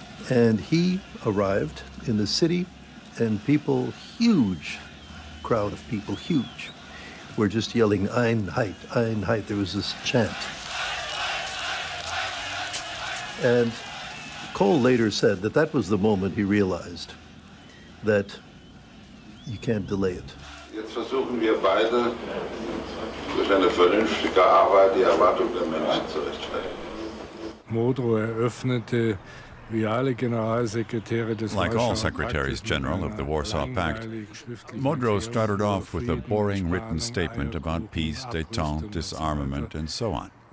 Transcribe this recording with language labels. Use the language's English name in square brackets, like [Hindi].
[English] And he arrived in the city, and people, huge crowd of people, huge, were just yelling, [German] Einheit, Einheit. [English] There was this chant. And Kohl later said that that was the moment he realized that you can't delay it. [German] Jetzt versuchen wir beide, durch eine vernünftige Arbeit die Erwartung der Menschen zu rechtfertigen. Modrow eröffnete. [English] Like all secretaries general of the Warsaw Pact, Modrow started off with a boring written statement about peace, détente, disarmament, and so on.